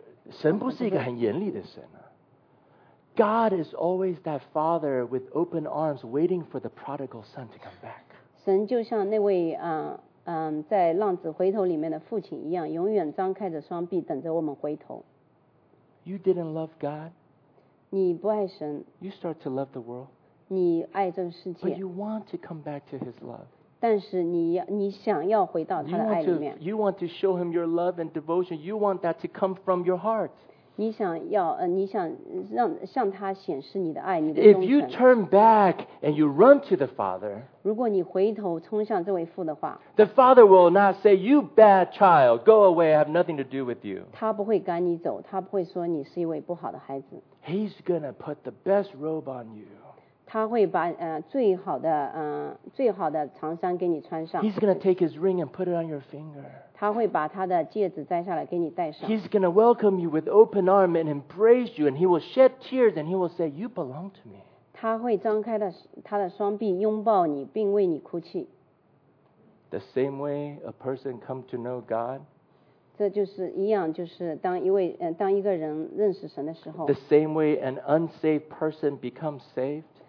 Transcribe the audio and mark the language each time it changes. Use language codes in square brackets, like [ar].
[zh] 神不是一个很严厉的神啊。 [en] God is always that father with open arms waiting for the prodigal son to come back. [zh] 神就像那位在浪子回头里面的父亲一样，永远张开着双臂等着我们回头。 [en] You didn't love God. [zh] 你不爱神。 [en] You start to love the world. [zh] 你爱这个世界。 [en] But you want to come back to His love. [zh] 但是你想要回到他的爱里面。 [en] You want to show Him your love and devotion. You want that to come from your heart. [zh] 你想要你想让向他显示你的爱，你的忠诚。 [en] If you turn back and you run to the Father. [zh] 如果你回头冲向这位父的话。 [en] The Father will not say, "You bad child, go away. I have nothing to do with you." [zh] 他不会赶你走，他不会说你是一位不好的孩子。 [en] He's gonna put the best robe on you. [zh] 他会把最好的长衫给你穿上。 [en] He's gonna take his ring and put it on your finger. [zh] 他会把他的戒指摘下来给你戴上。 [en] He's gonna welcome you with open arm and embrace you, and he will shed tears and he will say, "You belong to me." [zh] 他会张开他的双臂拥抱你，并为你哭泣。 [en] The same way a person come to know God. [zh] 这就是一样，就是当一个人认识神的时候。 [en] The same way an unsaved person becomes saved.